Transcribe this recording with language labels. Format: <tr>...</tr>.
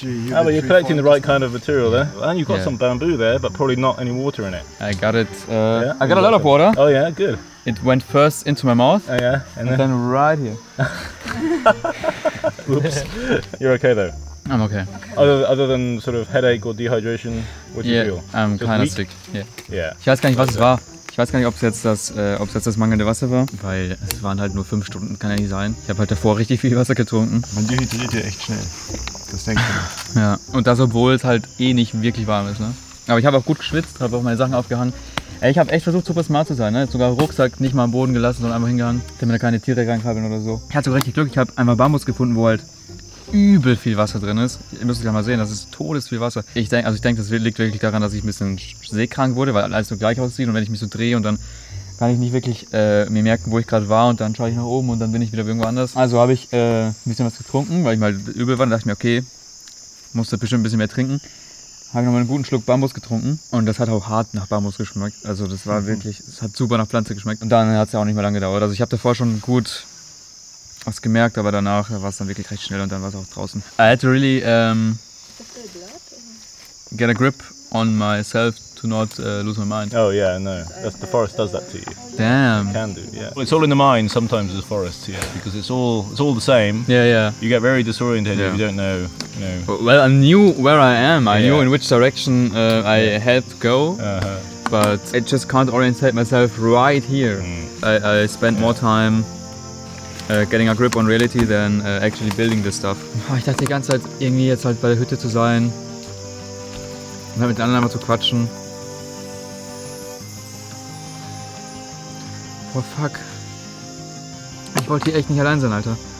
<en>Well, you're collecting the right kind of material there. Yeah. And you've got some bamboo there, but probably not any water in it. I got it. I got a lot of water. Oh, yeah, good. It went first into my mouth. Oh, yeah. And then right here. Oops. You're okay, though. I'm okay. Other than sort of headache or dehydration, what do you feel? I'm kind of sick. Yeah. Yeah.</en> <de>Ich weiß gar nicht, was es war. Ich weiß gar nicht, ob es jetzt das mangelnde Wasser war, weil es waren halt nur 5 Stunden, kann ja nicht sein. Ich habe halt davor richtig viel Wasser getrunken. Man dehydriert ja echt schnell, das denkt man. Ja, und das, obwohl es halt nicht wirklich warm ist, ne? Aber ich habe auch gut geschwitzt, habe auch meine Sachen aufgehangen. Ey, ich habe echt versucht, super smart zu sein, ne? Sogar Rucksack nicht mal am Boden gelassen, sondern einfach hingehangen, damit da keine Tiere reinkrabbeln oder so. Ich hatte sogar richtig Glück, ich habe einmal Bambus gefunden, wo halt übel viel Wasser drin ist. Ihr müsst es ja mal sehen, das ist todesviel Wasser. Ich denke, das liegt wirklich daran, dass ich ein bisschen seekrank wurde, weil alles so gleich aussieht. Und wenn ich mich so drehe und dann kann ich nicht wirklich mir merken, wo ich gerade war. Und dann schaue ich nach oben und dann bin ich wieder irgendwo anders. Also habe ich ein bisschen was getrunken, weil ich mal übel war. Dann dachte ich mir, okay, musst du bestimmt ein bisschen mehr trinken. Habe ich nochmal einen guten Schluck Bambus getrunken. Und das hat auch hart nach Bambus geschmeckt. Also das war wirklich, es hat super nach Pflanze geschmeckt. Und dann hat es ja auch nicht mehr lange gedauert. Also ich habe davor schon gut was gemerkt, aber danach war es dann wirklich recht schnell und dann war es auch draußen.</de> <en>I had to really get a grip on myself to not lose my mind. Oh yeah, no. That's, the forest does that to you. Damn. It can do, yeah. Well, it's all in the mind sometimes, the forest, yeah. Because it's all the same. Yeah, yeah. You get very disoriented if you don't know, you know. Well, I knew where I am. I knew in which direction I had to go. But I just can't orientate myself right here. Mm. I spent more time getting a grip on reality than actually building this stuff.</en> <de>Ich dachte die ganze Zeit, irgendwie jetzt halt bei der Hütte zu sein und mit den anderen einmal zu quatschen. Oh fuck. Ich wollte hier echt nicht allein sein, Alter.</de>